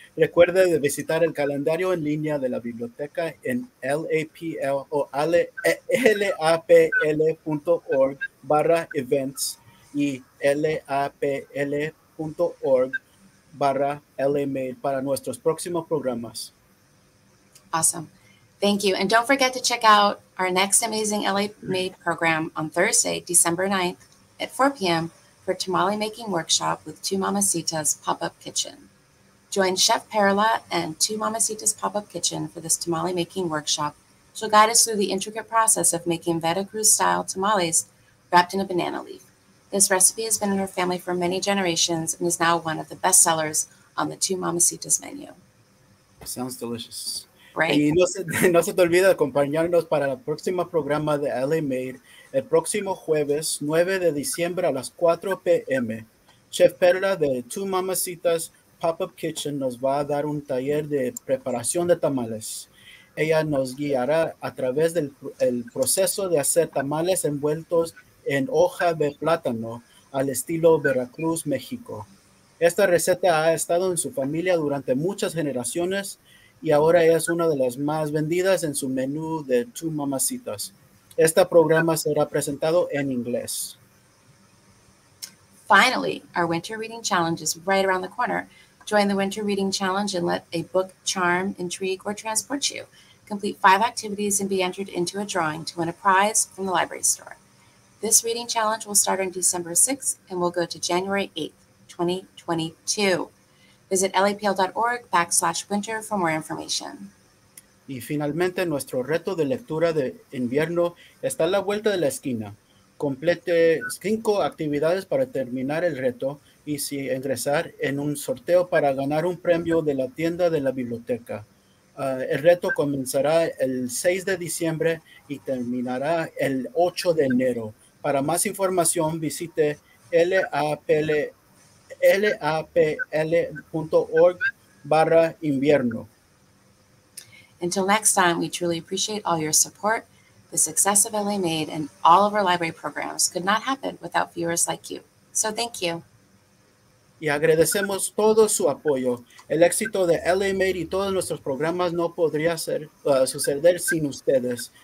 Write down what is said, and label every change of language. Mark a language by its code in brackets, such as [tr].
[es] Recuerde de visitar el calendario en línea de la biblioteca en lapl.org/events y lapl.org/lmail para nuestros próximos programas. [en] Awesome. Thank you. And don't forget to check out our next amazing LA Made program on Thursday, December 9th at 4 p.m. for tamale making workshop with Two Mamacitas Pop-Up Kitchen. Join Chef Perla and Two Mamacitas Pop-Up Kitchen for this tamale making workshop. She'll guide us through the intricate process of making Veracruz style tamales wrapped in a banana leaf. This recipe has been in her family for many generations and is now one of the best sellers on the Two Mamacitas menu. Sounds delicious. Right. [es] Y no se te olvide acompañarnos para el próximo programa de LA Made el próximo jueves 9 de diciembre a las 4 p.m. Chef Perla de Two Mamacitas Pop-Up Kitchen nos va a dar un taller de preparación de tamales. Ella nos guiará a través del el proceso de hacer tamales envueltos en hoja de plátano al estilo Veracruz, México. Esta receta ha estado en su familia durante muchas generaciones y ahora es una de las más vendidas en su menú de Two Mamacitas. Este programa será presentado en inglés. [en] Finally, our winter reading challenge is right around the corner. Join the winter reading challenge and let a book charm, intrigue, or transport you. Complete 5 activities and be entered into a drawing to win a prize from the library store. This reading challenge will start on December 6th and will go to January 8th, 2022. Visit lapl.org/winter for more information. [es] Y finalmente, nuestro reto de lectura de invierno está a la vuelta de la esquina. Complete 5 actividades para terminar el reto y si ingresar en un sorteo para ganar un premio de la tienda de la biblioteca. El reto comenzará el 6 de diciembre y terminará el 8 de enero. Para más información, visite lapl.org/invierno. [en] Until next time, we truly appreciate all your support. The success of LA Made and all of our library programs could not happen without viewers like you. So thank you. [es] Y agradecemos todo su apoyo. El éxito de LA Made y todos nuestros programas no podría suceder sin ustedes.